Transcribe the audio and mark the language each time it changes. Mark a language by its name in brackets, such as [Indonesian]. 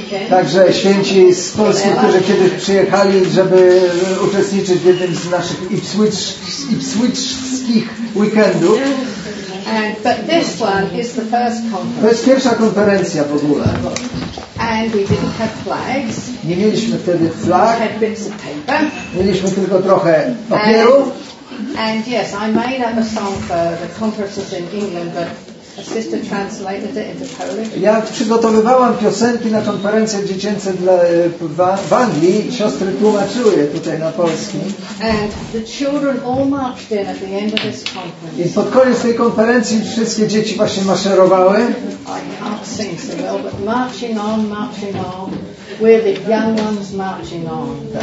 [Polish] Także święci z Polski, którzy kiedyś przyjechali, żeby uczestniczyć w jednym z naszych Ipswichskich weekendów. [English] But this one is the first conference. [Polish] To jest pierwsza konferencja w ogóle. [English] And we didn't have flags. [Polish] Nie mieliśmy wtedy flag. [English] We had bits of paper. [Polish] Mieliśmy tylko trochę papieru. [English] And yes, I made up a song for the conferences in England, but a sister translated it into Polish. [Polish] Ja przygotowywałam piosenki na konferencje dziecięce w Anglii. Siostry tłumaczyły je tutaj na polski. [English] And the children all marched in at the end of this conference. [Polish] I pod koniec tej konferencji wszystkie dzieci właśnie maszerowały. [English] I can't sing so well, but marching on, marching on. We're the young ones marching on.